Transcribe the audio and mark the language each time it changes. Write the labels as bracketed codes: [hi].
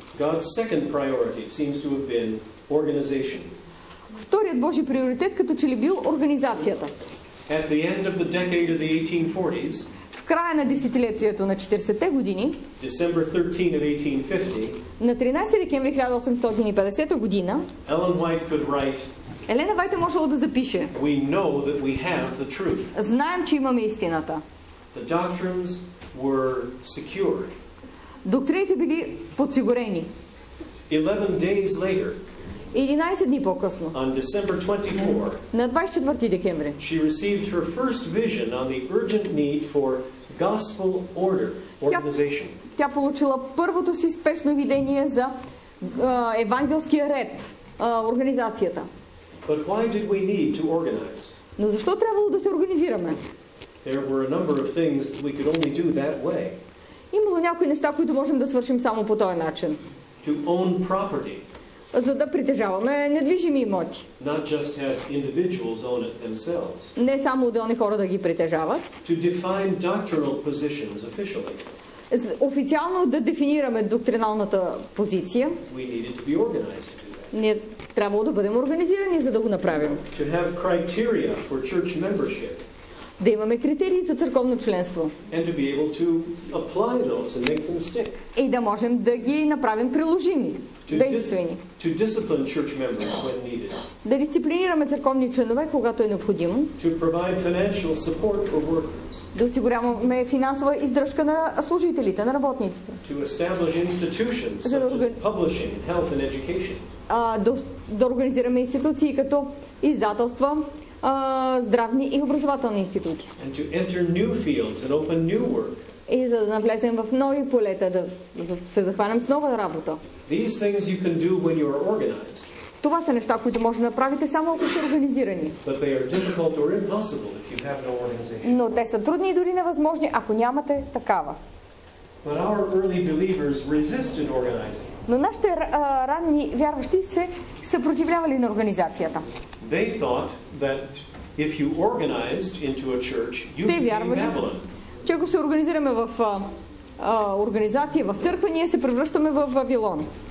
[en] God's second priority seems to have been organization. [bg] Вторият Божи приоритет като че ли бил организацията. [en] At the end of the decade of the 1840s, [bg] в края на десетилетието на 40-те години, [en] December 13 of 1850, [bg] на 13 декември 1850 година, [en] Ellen White could write, [bg] Елена Вайт е можела да запише, [en] we know that we have the truth. [bg] Знаем, че имаме истината. [en] The doctrines were secured. [bg] Доктрините били подсигурени. [en] 11 days later, [bg] 11 дни по-късно, [en] on December 24, [bg] на 24 декември, [en] she received her first vision on the urgent need for gospel order, organization. [bg] Тя получила първото си спешно видение за евангелския ред, организацията. [en] But why did we need to organize? [bg] Но защо трябвало да се организираме? [en] There were a number of things that we could only do that way. [bg] Имало някои неща, които можем да свършим само по този начин. [en] To own property. [bg] За да притежаваме недвижими имоти. [en] Not just have individuals own it themselves. [bg] Не само отделни хора да ги притежават. [en] To define doctrinal positions officially. [bg] Официално да дефинираме доктриналната позиция. [en] We needed to be organized. [bg] Ние трябвало да бъдем организирани, за да го направим. [en] To have criteria for church membership. [bg] Да имаме критерии за църковно членство. [en] And to be able to apply those and make them stick. [bg] И да можем да ги направим приложими, действени. [en] To discipline church members when needed. [bg] Да дисциплинираме църковни членове, когато е необходимо. [en] To provide financial support for workers. [bg] Да осигуряваме финансова издръжка на служителите, на работниците. [en] To establish institutions such as publishing, health and education. [bg] Да организираме институции като издателства, здравни и образователни институти. [en] And to enter new fields and open new work. [bg] И за да навлезем в нови полета, да се захванем с нова работа. [en] These things you can do when you are organized. [bg] Това са неща, които може да направите само ако сте организирани. [en] But they are difficult or impossible if you have no organization. [bg] Но те са трудни и дори невъзможни, ако нямате такава. [en] But our early believers resisted organizing. [bg] Но нашите ранни вярващи се съпротивлявали на организацията. [en] They thought that if you organized into a church, you became Babylon. [bg] Че ако се организираме в организация, в църква, ние се превръщаме в Вавилон.